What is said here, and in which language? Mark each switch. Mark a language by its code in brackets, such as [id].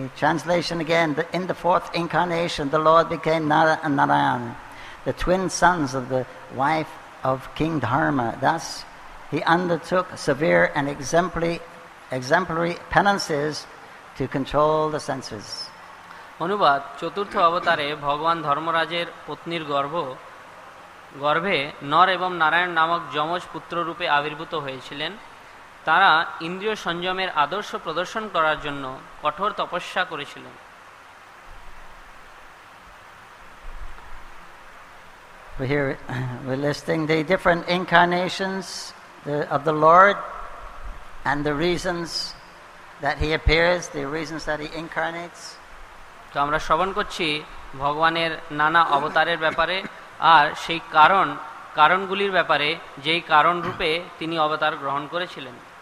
[en] Translation again, in the fourth incarnation, the Lord became Nara and Narayan, the twin sons of the wife of King Dharma. Thus, he undertook severe and exemplary penances to control the senses. [bn] অনুবাদ: চতুর্থ অবতারে ভগবান ধর্মরাজের পত্নীর গর্ভে নর এবং নারায়ণ নামক যমজ পুত্র রূপে আবির্ভূত হয়েছিলেন। তারা ইন্দ্রিয় সংযমের আদর্শ প্রদর্শন করার জন্য কঠোর তপস্যা করেছিলেন। [en] We're listing the different incarnations of the Lord and the reasons that he appears, the reasons that he incarnates. [bn] তো আমরা শ্রবণ করছি ভগবানের নানা অবতারের ব্যাপারে আর সেই কারণগুলির ব্যাপারে যেই কারণ রূপে তিনি অবতার গ্রহণ করেছিলেন।